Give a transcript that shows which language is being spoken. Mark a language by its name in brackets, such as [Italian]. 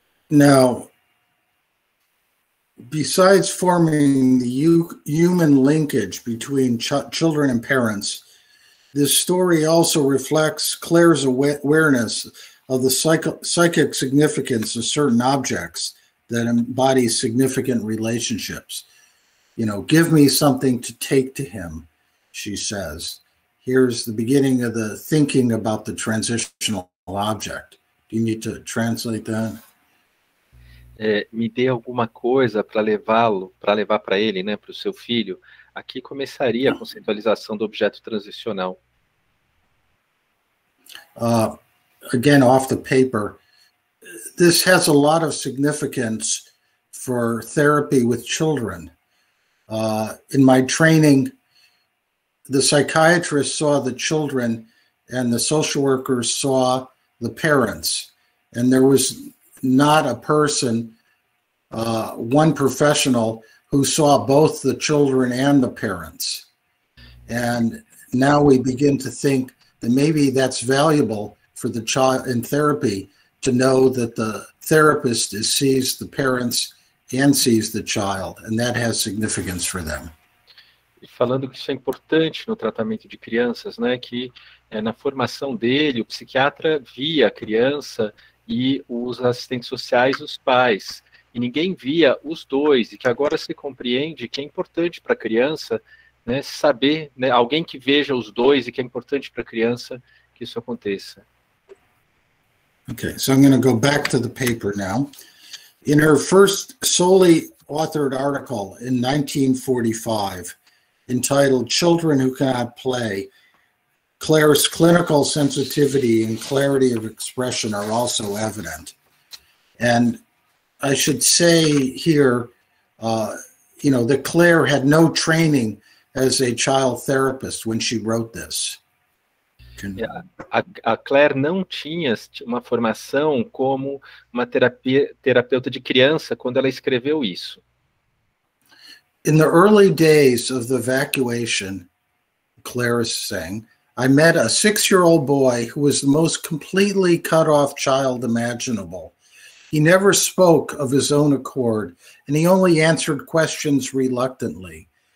[English] Now, besides forming the human linkage between children and parents, this story also reflects Clare's awareness of the psychic significance of certain objects that embody significant relationships. You know, give me something to take to him. she says. Here's the beginning of the thinking about the transitional object. Do you need to translate that? [Portuguese] É, me dê alguma coisa para levá-lo, para levar para ele, né, para o seu filho. Aqui começaria a conceitualização do objeto transicional. [English] Again, off the paper, this has a lot of significance for therapy with children. In my training, the psychiatrist saw the children and the social workers saw the parents. And there was not a person, one professional, who saw both the children and the parents. And now we begin to think that maybe that's valuable for the child in therapy to know that the therapist sees the parents and sees the child, and that has significance for them. [Portuguese] E falando que isso é importante no tratamento de crianças, né, que é, na formação dele, o psiquiatra via a criança e os assistentes sociais, os pais, e ninguém via os dois, e que agora se compreende que é importante para a criança, né, saber, né, alguém que veja os dois e que é importante para a criança que isso aconteça. [English] Okay, so I'm going to go back to the paper now. In her first solely authored article in 1945, entitled Children Who Cannot Play, Clare's clinical sensitivity and clarity of expression are also evident. And I should say here, you know, that Clare had no training as a child therapist when she wrote this. [Portuguese] A Clare não tinha uma formação como uma terapeuta de criança quando ela escreveu isso. [English] In the early days of the evacuation, Clare is saying, I met a six-year-old boy who was the most completely cut-off child imaginable. He never spoke of his own accord, and he only answered questions reluctantly.